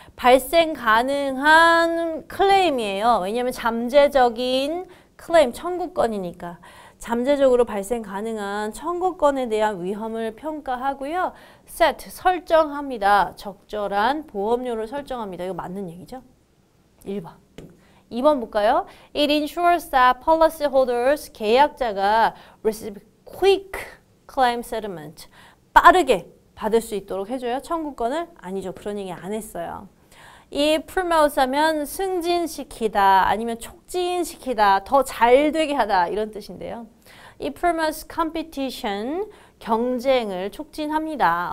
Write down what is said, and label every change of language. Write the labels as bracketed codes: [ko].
[ko] 발생 가능한 claim이에요. 왜냐하면 잠재적인 claim, 청구권이니까. 잠재적으로 발생 가능한 청구권에 대한 위험을 평가하고요. set, 설정합니다. 적절한 보험료를 설정합니다. 이거 맞는 얘기죠? 1번. 2번 볼까요? [en] It ensures that policyholders, 계약자가 receive quick claim settlement. [ko] 빠르게 받을 수 있도록 해줘요. 청구권을? 아니죠. 그런 얘기 안 했어요. [en] It promotes [ko] 하면 승진시키다 아니면 촉진시키다 더 잘 되게 하다 이런 뜻인데요. [en] It promotes competition [ko] 경쟁을 촉진합니다.